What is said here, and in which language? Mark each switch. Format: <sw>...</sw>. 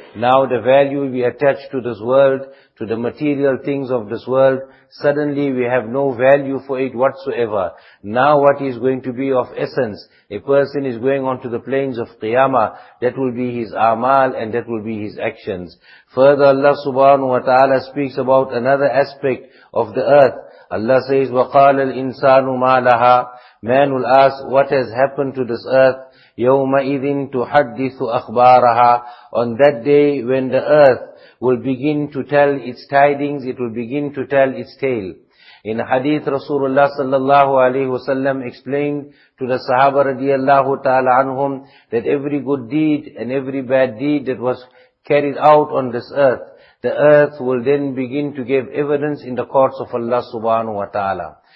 <en>Now the value we attach to this world, to the material things of this world, suddenly we have no value for it whatsoever. Now what is going to be of essence? A person is going on to the plains of Qiyamah, that will be his amal and that will be his actions. Further, Allah subhanahu wa ta'ala speaks about another aspect of the earth. Allah says,</en> <ar>وَقَالَ الْإِنسَانُ مَا لَهَا.</ar> <en>Man will ask, what has happened to this earth?</en> <ar>يَوْمَئِذٍ تُحَدِّثُ أَخْبَارَهَا.</ar> <en>On that day when the earth will begin to tell its tidings, it will begin to tell its tale. In hadith, Rasulullah sallallahu alaihi wasallam explained to the Sahaba radiallahu ta'ala anhum that every good deed and every bad deed that was carried out on this earth, the earth will then begin to give evidence in the courts of Allah subhanahu wa ta'ala.</en>